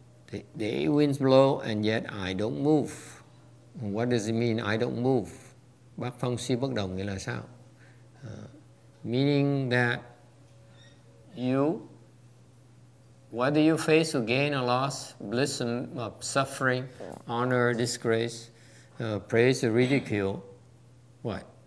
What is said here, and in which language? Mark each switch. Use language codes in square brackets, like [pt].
[en] The eight winds blow and yet I don't move. What does it mean, I don't move? [vi] Bác phong suy bất động nghĩa là sao? [en] Meaning that you, whether you face a gain or loss, bliss and suffering, honor or disgrace, praise or ridicule, what?